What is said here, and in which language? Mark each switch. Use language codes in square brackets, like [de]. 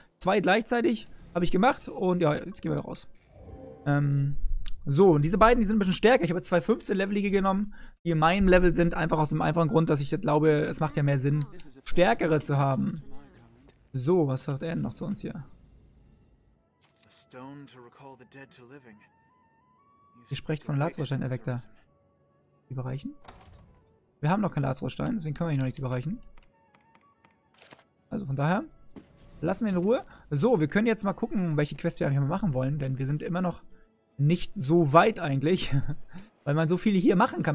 [de] Zwei gleichzeitig habe ich gemacht und ja, jetzt gehen wir raus. So, und diese beiden, die sind ein bisschen stärker. Ich habe jetzt zwei 15-Levelige genommen, die in meinem Level sind, einfach aus dem einfachen Grund, dass ich glaube, es macht ja mehr Sinn, stärkere zu haben. So, was sagt er denn noch zu uns hier? [en] A stone to recall the dead to living. [de] Ihr sprecht von Lazarusstein, Evector. Überreichen? Wir haben noch keinen Lazarusstein, deswegen können wir ihn noch nicht überreichen. Also von daher, lassen wir in Ruhe. So, wir können jetzt mal gucken, welche Quest wir eigentlich mal machen wollen, denn wir sind immer noch nicht so weit eigentlich, weil man so viele hier machen kann.